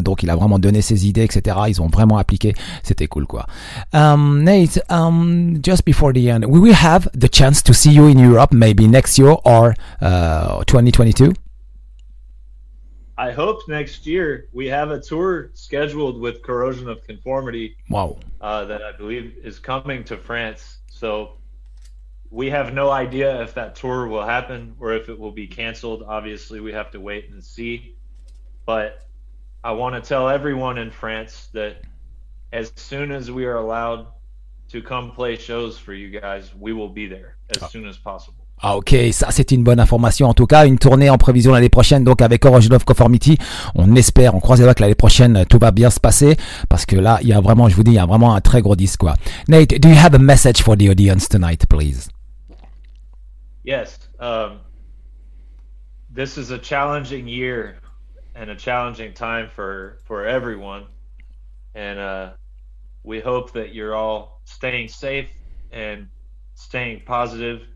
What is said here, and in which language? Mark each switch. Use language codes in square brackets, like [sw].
[fr] Donc il a vraiment donné ses idées, etc. Ils ont vraiment appliqué. C'était cool quoi. [en] Nate, just before the end, we will have the chance to see you in Europe maybe next year or 2022? I hope next year. We have a tour scheduled with Corrosion of Conformity. Wow. That I believe is coming to France. So we have no idea if that tour will happen or if it will be canceled. Obviously, we have to wait and see. But I want to tell everyone in France that as soon as we are allowed to come play shows for you guys, we will be there as soon as possible. [fr] Ah ok, ça c'est une bonne information en tout cas. Une tournée en prévision l'année prochaine donc avec Corrosion of Conformity. On espère, on croise les doigts que l'année prochaine tout va bien se passer, parce que là il y a vraiment, je vous dis, il y a vraiment un très gros disque quoi. [en] Nate, do you have a message for the audience tonight, please? Yes. This is a challenging year and a challenging time for everyone, and we hope that you're all staying safe and staying positive.